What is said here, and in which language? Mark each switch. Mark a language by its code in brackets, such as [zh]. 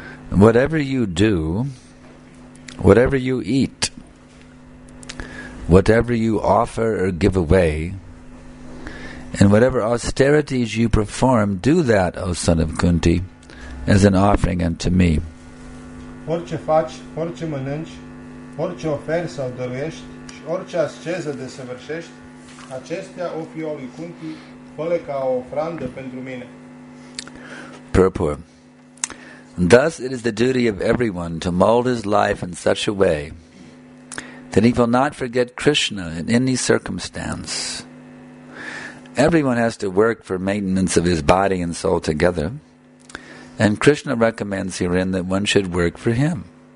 [en] Whatever you do, whatever you eat, whatever you offer or give away, and whatever austerities you perform, do that, O son of Kunti, as an offering unto me. [ro] Orice faci, orice mănânci, orice oferi sau dăruiești, orice asceză desăvârșești, acestea o fi lui Kunti, fă-le ca o ofrandă pentru mine. [en] Purport. Thus it is the duty of everyone to mold his life in such a way that he will not forget Krishna in any circumstance. Everyone has to work for maintenance of his body and soul together, and Krishna recommends herein that one should work for him.